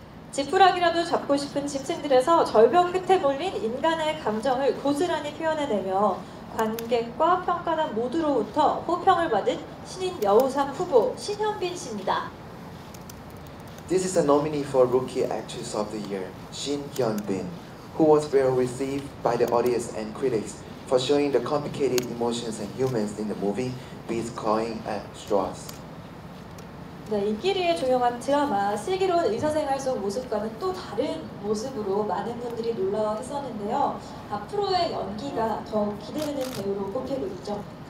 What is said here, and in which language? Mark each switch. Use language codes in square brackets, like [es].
[ko] 지푸라기라도 잡고 싶은 집층들에서 절벽 끝에 몰린 인간의 감정을 고스란히 표현해내며 관객과 평가단 모두로부터 호평을 받은 신인 여우상 후보 신현빈 씨입니다. [en] This is a nominee for Rookie Actress of the Year, Shin Hyun-bin, who was well received by the audience and critics for showing the complicated emotions and humans in the movie Beast Clawing at Straws. [ko] 네, 인기리에 조용한 드라마 슬기로운 의사생활 속 모습과는 또 다른 모습으로 많은 분들이 놀라웠었는데요. 앞으로의 연기가 더 기대되는 배우로 꼽히고 있죠.